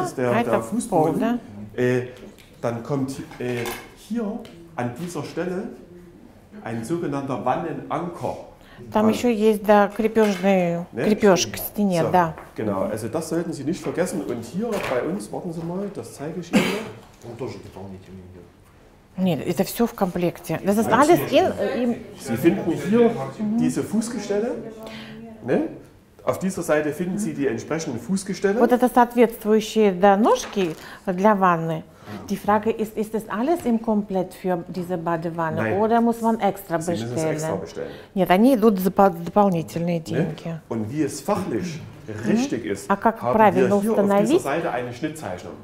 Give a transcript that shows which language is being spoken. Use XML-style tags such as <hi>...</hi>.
<de>und das ist der Fußboden, Pol, да? Dann kommt hier an dieser Stelle ein sogenannter Wannenanker.</de> <ru>Там еще есть, да, крепеж к стене,</ru> <de>so,</de> <ru>да.</ru> <de>Genau, also das sollten Sie nicht vergessen. Und hier bei uns, warten Sie mal, das zeige ich Ihnen.</de> <ru>Он тоже дополнительный. Нет, это все в комплекте.</ru> <de>Das ist alles in... Sie finden hier diese Fußgestelle. Ne? Auf dieser Seite finden Sie die entsprechenden Fußgestelle.</de> <ru>Вот это соответствующие, да, ножки для ванны.</ru> <de>Die Frage ist, ist das alles im Komplett für diese Badewanne? Nein. Oder muss man extra bestellen? Sie müssen es extra bestellen.</de> <ru>Нет, они идут дополнительные деньги.</ru> <de>Und wie es fachlich richtig ist,</de> <ru>а как</ru> <de>haben</de> <ru>правильно</ru> <de>wir hier auf dieser Seite eine Schnittzeichnung.</de>